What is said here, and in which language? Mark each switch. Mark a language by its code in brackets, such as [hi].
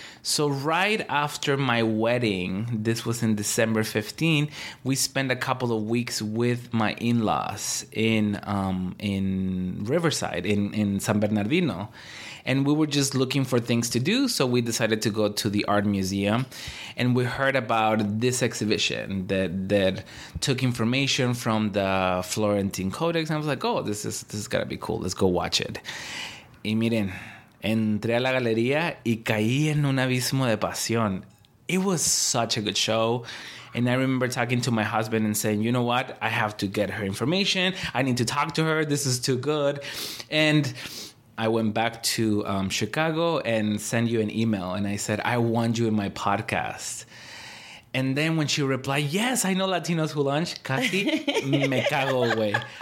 [en] So right after my wedding, this was in December 15, we spent a couple of weeks with my in-laws in Riverside, in San Bernardino. And we were just looking for things to do, so we decided to go to the art museum. And we heard about this exhibition that took information from the Florentine Codex. And I was like, oh, this is gonna be cool. Let's go watch it. [es] Y miren, entré a la galería y caí en un abismo de pasión. [en] It was such a good show. And I remember talking to my husband and saying, you know what? I have to get her information. I need to talk to her. This is too good. And I went back to Chicago and sent you an email. And I said, I want you in my podcast. And then when she replied, yes, I know Latinos Who Lunch, [es] casi me cago [en] away.